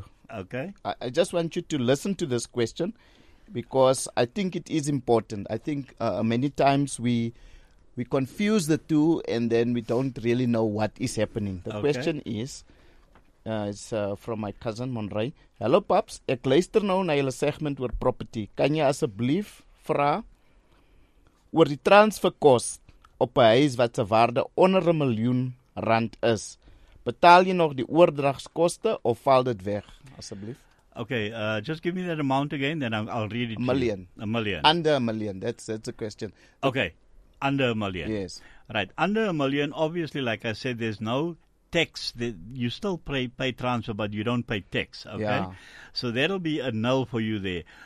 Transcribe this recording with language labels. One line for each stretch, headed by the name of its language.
English: I just want you to listen to this question because I think it is important. I think many times we confuse the two and then we don't really know what is happening. The question is, it's from my cousin, Monray. Hello, Pops.
Afrikaans: Ek luister nou na julle segment oor property. Kan jy asseblief vra oor die transferkos op 'n huis wat se waarde onder 'n miljoen rand is? Betaal jy nog die oordragskoste of val dit weg, asseblief?
English: Okay, just give me that amount again, then I'll read it. A million. A million. Under a million, that's a question. Okay, under a million. Yes. Right, under a million, obviously, like I said, there's no tax. That you still pay transfer, but you don't pay tax, okay? Yeah. So that'll be a null for you there.